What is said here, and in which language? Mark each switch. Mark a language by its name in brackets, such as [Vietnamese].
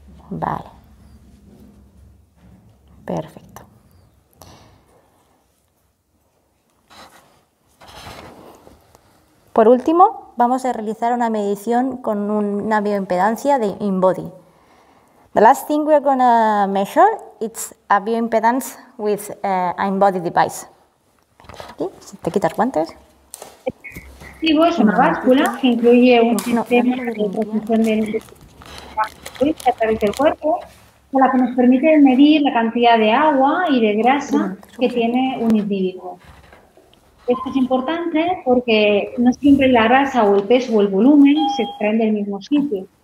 [Spanish] Vale. Perfecto. Por último, vamos a realizar una medición con una bioimpedancia de InBody. [English] The last thing we're going to measure is a bioimpedance with an InBody device. [Spanish] Aquí, si te quitas guantes. Es una báscula que incluye un sistema de transmisión de metabólica a través del cuerpo, la que nos permite medir la cantidad de agua y de grasa que tiene un individuo. Esto es importante porque no siempre la grasa o el peso o el volumen se extraen del mismo sitio.